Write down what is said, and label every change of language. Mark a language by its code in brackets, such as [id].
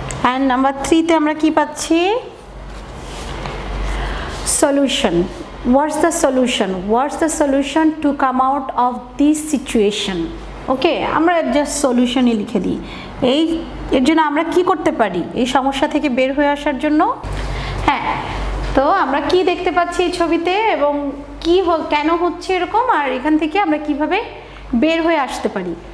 [en] And number three [bn] তে আমরা কি পাচ্ছি, [en] Solution. What's the solution? What's the solution to come out of this situation? [bn] ওকে, আমরা just সলিউশনই লিখে দিই। এই এর জন্য আমরা কী করতে পারি এই সমস্যা থেকে বের হয়ে আসার জন্য? হ্যাঁ, তো আমরা কী দেখতে পাচ্ছি এই ছবিতে এবং কী কেন হচ্ছে এরকম, আর এখান থেকে আমরা কীভাবে বের হয়ে আসতে পারি?